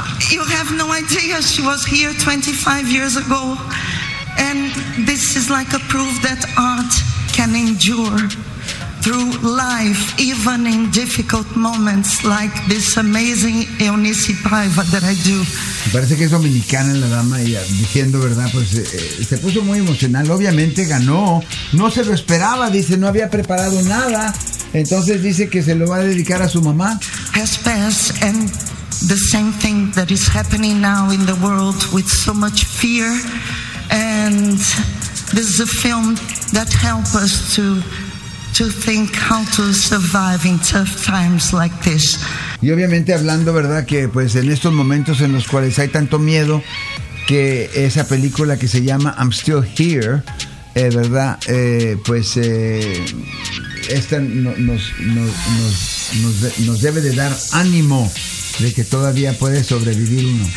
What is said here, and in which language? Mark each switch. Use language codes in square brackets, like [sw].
[en] You have no idea, she was here 25 years ago. And this is like a proof that art can endure through life, even in difficult moments like this amazing Eunice Paiva that I do. [es] Me parece que es dominicana la dama y diciendo, ¿verdad? Pues se puso muy emocional. Obviamente ganó. No se lo esperaba, dice, no había preparado nada. Entonces dice que se lo va a dedicar a su mamá. [en] Has passed, and the same thing that is happening now in the world with so much fear. And this is a film that helps us to to think how to survive in tough times like this. [es] Y obviamente hablando, ¿verdad?, que pues en estos momentos en los cuales hay tanto miedo, que esa película que se llama I'm Still Here, ¿verdad?, pues esta nos debe de dar ánimo de que todavía puede sobrevivir uno.